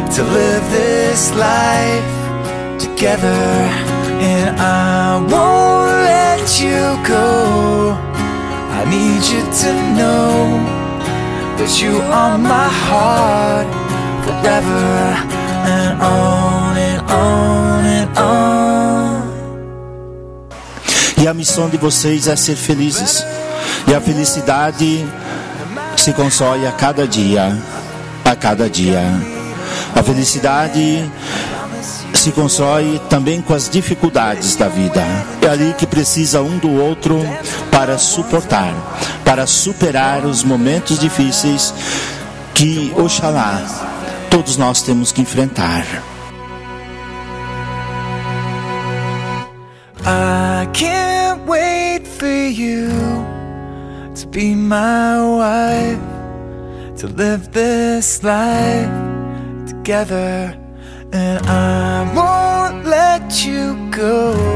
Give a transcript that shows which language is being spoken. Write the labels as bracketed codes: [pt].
[en] To live this life together, and I won't let you go. I need you to know that you are my heart forever and on and on and on. [pt] E a missão de vocês é ser felizes, e a felicidade se constrói a cada dia, a cada dia. A felicidade se constrói também com as dificuldades da vida. É ali que precisa um do outro para suportar, para superar os momentos difíceis que, oxalá, todos nós temos que enfrentar. [en] I can't wait for you to be my wife, to live this life together, and I won't let you go.